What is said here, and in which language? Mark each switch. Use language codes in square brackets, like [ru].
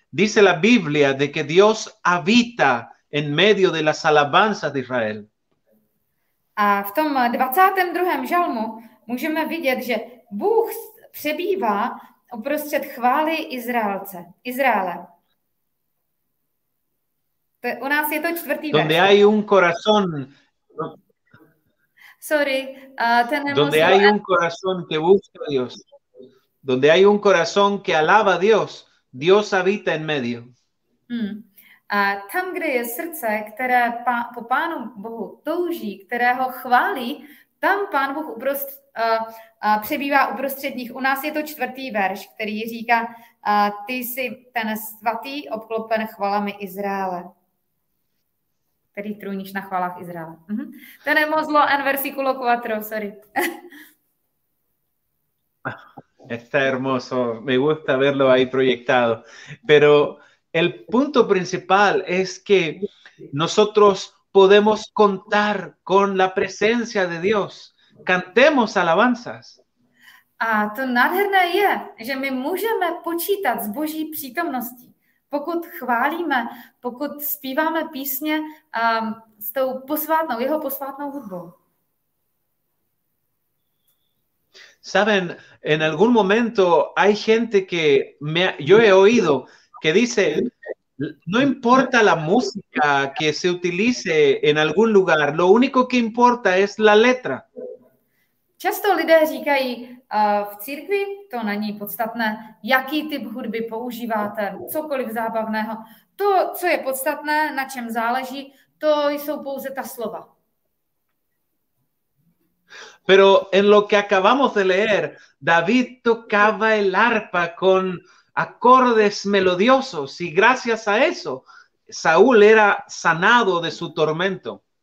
[es] Dice la Biblia de que Dios habita en medio de las alabanzas de Israel. [cs] A v tom 22. žalmu můžeme vidět, že Bůh přebývá uprostřed chvály Izraelce, Izraele. To je, u nás je to 4. verš. [es] Donde hay un corazón. [en] Sorry, [es] donde hay un corazón que busca a Dios. Donde hay un corazón que alaba a Dios, Dios habita en medio. [cs] A tam, kde je srdce, které po Pánu Bohu touží, které ho chválí, tam Pán Bůh přebývá uprostředních. U nás je to 4. verš, který říká, ty jsi ten svatý obklopen chvalami Izraele. Který trůníš na chvalách Izraele. To je mozlo [es] en versículo 4, [en] sorry. [es] Está hermoso, me gusta verlo ahí proyectado. Pero el punto principal es que nosotros podemos contar con la presencia de Dios. Cantemos alabanzas. [cs] A to nádherné je, že my můžeme počítat s Boží přítomností. Pokud chválíme, pokud zpíváme písně s tou posvátnou, jeho posvátnou hudbou. [es] Saben, en algún momento hay gente que yo he oído que dice, no importa la música que se utilice en algún lugar, lo único que importa es la letra. [cs] Často lidé říkají, v církvi to není podstatné, jaký typ hudby používáte, cokoliv zábavného. To, co je podstatné, na čem záleží, to jsou pouze ta slova. [es] Pero en lo que acabamos de leer, David tocaba el arpa con acordes melodiosos y gracias a eso, Saúl era sanado de su tormento.